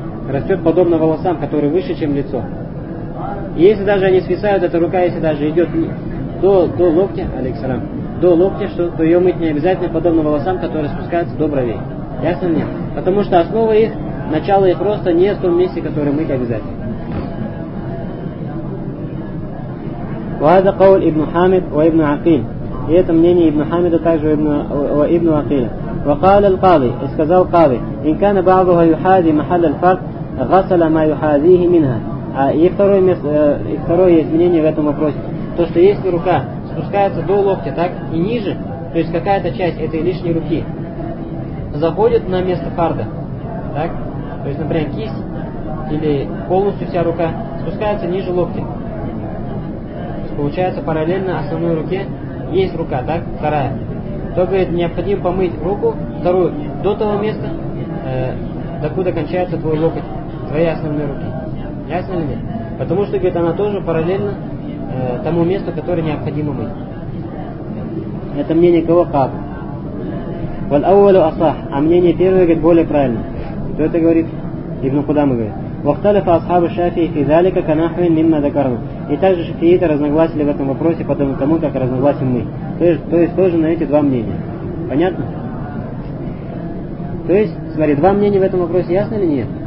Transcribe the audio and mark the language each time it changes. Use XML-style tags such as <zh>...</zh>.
<ru>Растет подобно волосам, которые выше, чем лицо. И если даже они свисают, эта рука, если даже идет до локтя, алейхиссалям, до локтя, то ее мыть не обязательно подобно волосам, которые спускаются до бровей. Ясно мне? Потому что основа их, начало их роста не в том месте, которое мыть обязательно.</ru> <ar>وهذا قول ابن حامد وابن عقيل.</ar> <ru>И это мнение ابن حامد также ابن عقيل.</ru> <ar>وقال القاضي</ar> <ru>сказал</ru> <ar>قاضي إن كان بعضها يحاذي محل الفرق غسل ما يحاذيه منها.</ar> <ru>И второе есть мнение в этом вопросе. То, что если рука спускается до локтя, так и ниже, то есть какая-то часть этой лишней руки заходит на место фарда, так? То есть, например, кисть или полностью вся рука спускается ниже локтя. Получается, параллельно основной руке есть рука, так, вторая. То, говорит, необходимо помыть руку, вторую, до того места, докуда кончается твой локоть, твоей основной руки. Ясно ли мне? Потому что, говорит, она тоже параллельно тому месту, которое необходимо мыть. Это мнение кого? Как?</ru> <ar>والأول أصح.</ar> <ru>А мнение первое, говорит, более правильно. Кто это говорит? Ибн Кудама говорит.</ru> <ar>واختلف أصحاب الشافعي في ذلك كنحو مما ذكرنا.</ar> <ru>И также шафииты разногласили в этом вопросе, потому тому, как разногласим мы. То есть тоже на эти два мнения. Понятно? То есть, смотри, два мнения в этом вопросе, ясно или нет?</ru>